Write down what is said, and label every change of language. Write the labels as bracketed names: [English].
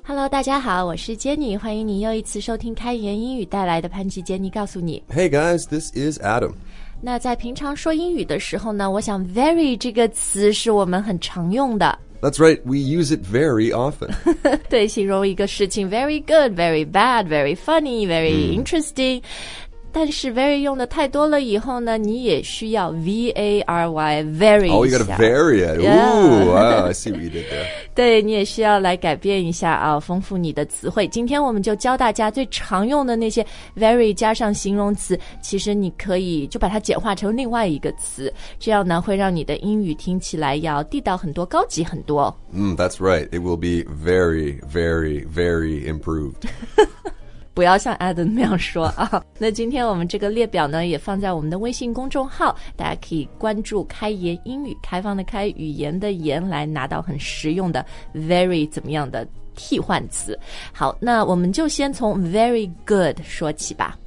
[Chinese] 大家好，我是 Jenny， 欢迎你又一次收听开言英语带来的潘吉 Jenny 告诉你。 [English] Hey guys, this is Adam。 [Chinese] 那在平常说英语的时候呢，我想 very 这个词是我们很常用的。 [English] That's right, we use it very often. [Chinese] 对，形容一个事情 [English] very good, very bad, very funny, very interesting. [Chinese] 但是 very 用的太多了以后呢，你也需要 V-A-R-Y, very 一下。 [English] Oh, you gotta vary it. Yeah. Ooh, wow, I see what you did there. [Chinese] 对，你也需要来改变一下啊，丰富你的词汇。今天我们就教大家最常用的那些 very 加上形容词，其实你可以就把它简化成另外一个词，这样呢会让你的英语听起来要地道很多，高级很多。 [English] That's right. It will be very, very, very improved. [Chinese] 不要像 Adam 那样说啊。那今天我们这个列表呢也放在我们的微信公众号，大家可以关注开言英语，开放的开，语言的言，来拿到很实用的 very 怎么样的替换词。好，那我们就先从 very good 说起吧。